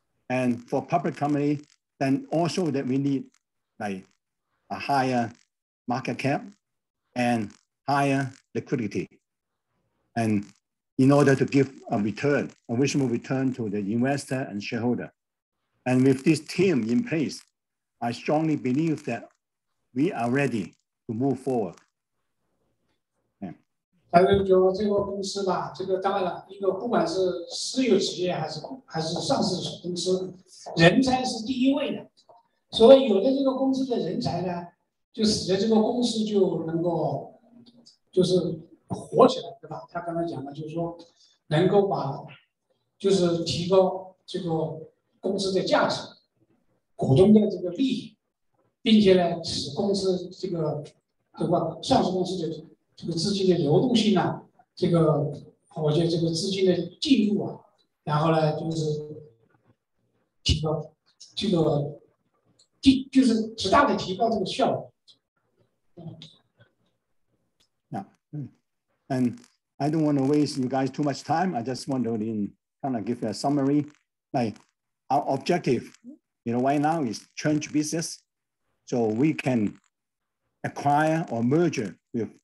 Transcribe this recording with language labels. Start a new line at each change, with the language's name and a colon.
English: And for public company, then also that we need like a higher market cap and higher liquidity. And in order to give a return, a reasonable return to the investor and shareholder. And with this team in place, I strongly believe that we are ready to move forward.
Chinese: 还有就这个公司吧，这个当然了，一个不管是私有企业还是上市公司，人才是第一位的，所以有了这个公司的人才呢，就使得这个公司就能够就是活起来，对吧？他刚才讲的就是说能够把就是提高这个公司的价值，股东的这个利益，并且呢使公司这个上市公司的这个资金的流动性呢、啊，这个我觉得这个资金的进入啊，然后呢就是提高这个就是极大的提高这个效果。
English: Yeah, and I don't want to waste you guys too much time. I just want to kind of give you a summary. Like our objective, you know, right now is change business, so we can acquire or merger with.